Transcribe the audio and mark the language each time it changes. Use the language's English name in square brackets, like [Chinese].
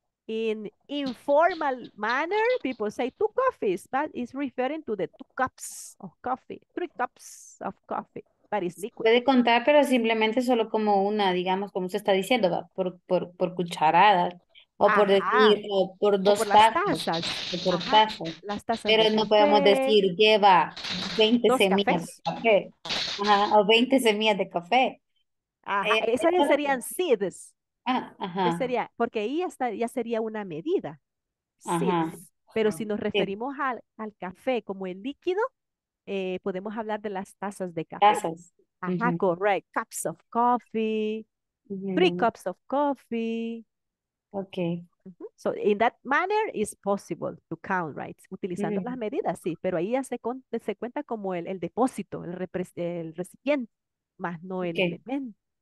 [English] In informal manner, people say two coffees, but it's referring to the two cups of coffee, three cups of coffee, but it's liquid. [Spanish] Puede contar, pero simplemente solo como una, digamos, como se está diciendo, por cucharadas, o por decir, o por dos o por tazas. Las tazas. O por tazas. Las tazas. Pero no podemos decir, lleva 20 dos semillas cafés. De café, o 20 semillas de café. Esas serían seeds. Ajá. Sería, porque ahí ya sería una medida. Sí. Pero si nos referimos al café como el líquido, podemos hablar de las tazas de café. Tazas. [English] Ajá, correct. Cups of coffee, three cups of coffee. Okay. So in that manner is possible to count, right? [Spanish] Utilizando las medidas, sí. Pero ahí ya se cuenta como el depósito, el recipiente, más no el elemento.